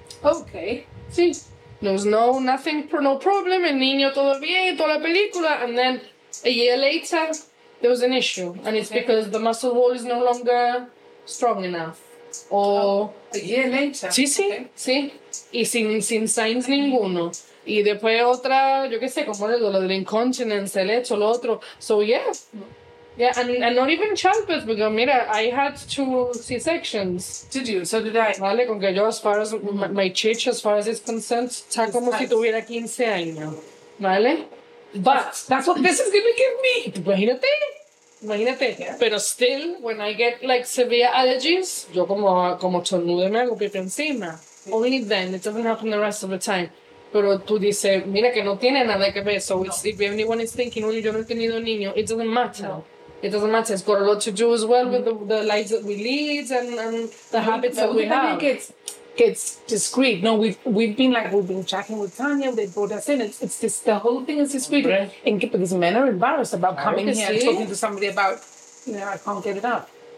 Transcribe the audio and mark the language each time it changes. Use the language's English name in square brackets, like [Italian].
[English] Okay. [Spanish] Sí. [English] There was no problem, [Spanish] el niño todo bien, toda la película, [English] and then a year later, there was an issue, and it's because the muscle wall is no longer strong enough, or... Oh, a year later? [Spanish] Sí. Y sin signs ninguno. Y después otra, yo qué sé, como lo del incontinence, el hecho, lo otro. [English] So, yeah, and not even childbirth, because, mira, I had 2 C-sections. Did you? So did I. [Spanish] Vale, con que yo, [English] as far as my chich, as far as it's concerned, [Spanish] está como si tuviera 15 años. Vale? [English] But that's what this is going to give me. [Spanish] Imagínate. [English] Yeah. Pero still, when I get, like, severe allergies, [Spanish] yo como tornudo me hago pipi encima. [English] Yeah. Only then. It doesn't happen the rest of the time. [Spanish] Pero tú dices, mira, que no tiene nada que ver. [English] So it's, if anyone is thinking, well, [Spanish] yo no he tenido niño, [English] it doesn't matter. No. It doesn't matter. It's got a lot to do as well with the lives that we lead and the habits that we have. It's discreet. No, we've been chatting with Tanya. They brought us in. It's the whole thing is discreet. Right. Because men are embarrassed about coming here and talking to somebody about, I can't get it up.